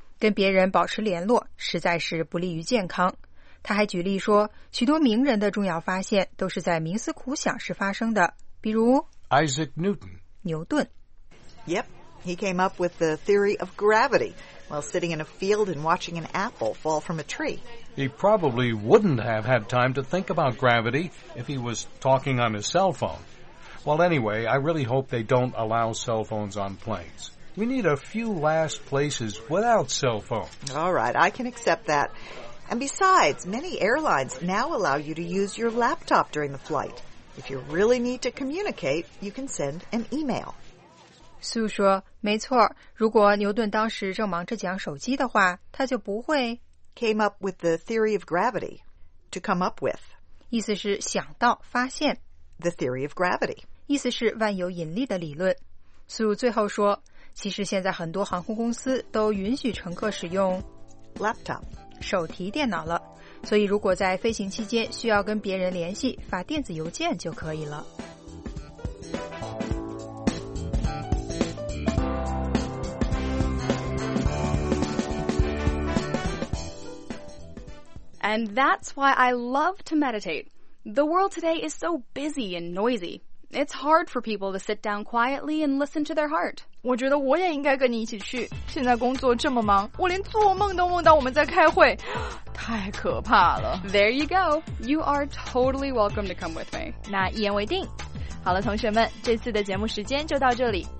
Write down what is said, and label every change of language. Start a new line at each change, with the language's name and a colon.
Chinese: 跟别人保持联络，实在是不利于健康。他还举例说，许多名人的重要发现都是在冥思苦想时发生的，比如
English: Isaac Newton
Chinese: 牛顿。
English: Yep, he came up with the theory of gravity while sitting in a field and watching an apple fall from a tree. He probably wouldn't have had time to think about gravity if he was talking on his cell phone. Well, anyway, I really hope they don't allow cell phones on planes. We need a few last places without cell phones. All right, I can accept that. And besides, many airlines now allow you to use your laptop during the flight. If you really need to communicate, you can send an email.
Chinese: Sue 说没错，如果牛顿当时正忙着讲手机的话，他就不会
English: came up with the theory of gravity to come up with
Chinese: 意思是想到发现
English: the theory of gravity
Chinese: 意思是万有引力的理论。Sue 最后说，其实现在很多航空公司都允许乘客使用
English: laptop
Chinese: 手提电脑了，所以如果在飞行期间需要跟别人联系，发电子邮件就可以了。
English: And that's why I love to meditate. The world today is so busy and noisy. It's hard for people to sit down quietly and listen to their heart.
Chinese: 我觉得我也应该跟你一起去。现在工作这么忙，我连做梦都梦到我们在开会，太可怕了。
English: There you go. You are totally welcome to come with me.
Chinese: 那一言为定。好了，同学们，这次的节目时间就到这里。